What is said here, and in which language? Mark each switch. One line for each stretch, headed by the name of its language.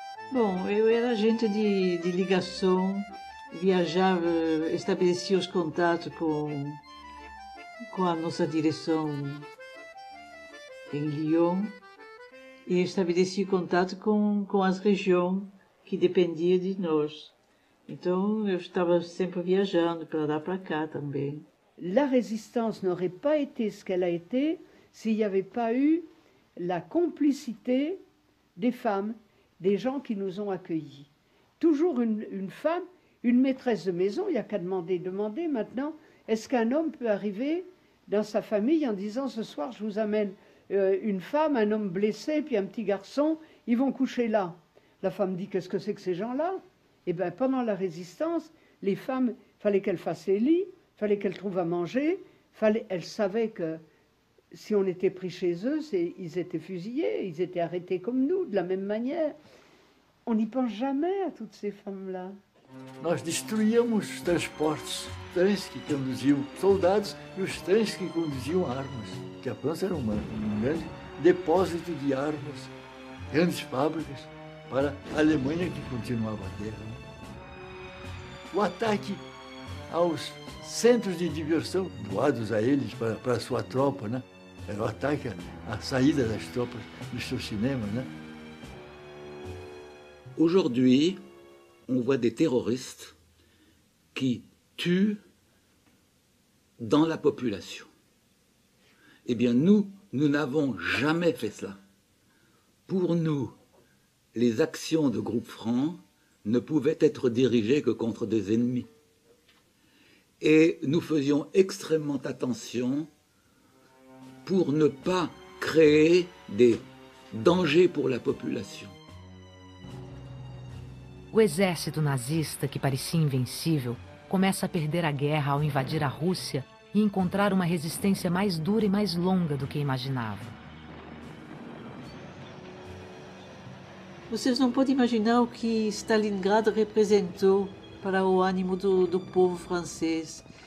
Portuguese: Bom, eu era agente de ligação, viajava, estabelecia os contatos com a nossa direção em Lyon e estabelecia contato com as regiões que dependiam de nós. Então, eu estava sempre viajando para lá para cá também.
French: La résistance n'aurait pas été ce qu'elle a été s'il n'y avait pas eu la complicité des femmes, des gens qui nous ont accueillis. Toujours une femme, une maîtresse de maison, il n'y a qu'à demander maintenant, est-ce qu'un homme peut arriver dans sa famille en disant ce soir je vous amène une femme, un homme blessé, puis un petit garçon, ils vont coucher là. La femme dit qu'est-ce que c'est que ces gens-là? Eh bien pendant la résistance, les femmes, il fallait qu'elles fassent les lits, il fallait qu'elles trouvent à manger, elles savaient que si on était pris chez eux, ils étaient fusillés, ils étaient arrêtés comme nous, de la même manière. On n'y pense jamais à toutes ces femmes-là.
Portuguese: Nós destruíamos os transportes, os trens que conduziam soldados e os trens que conduziam armas, que a França era um grande depósito de armas, grandes fábricas, para a Alemanha que continuava a guerra. O ataque aos centros de diversão doados a eles para a sua tropa, né? Era o ataque à saída das tropas do seu cinema, né?
French: Aujourd'hui, on voit des terroristes qui tuent dans la population. Eh bien, nous, nous n'avons jamais fait cela. Pour nous, les actions de groupe franc ne pouvaient être dirigées que contre des ennemis. Et nous faisions extrêmement attention pour ne pas créer des dangers pour la population.
Portuguese: O exército nazista, que parecia invencível, começa a perder a guerra ao invadir a Rússia e encontrar uma resistência mais dura e mais longa do que imaginava. Vocês não podem imaginar o que Stalingrado representou para o ânimo do povo francês.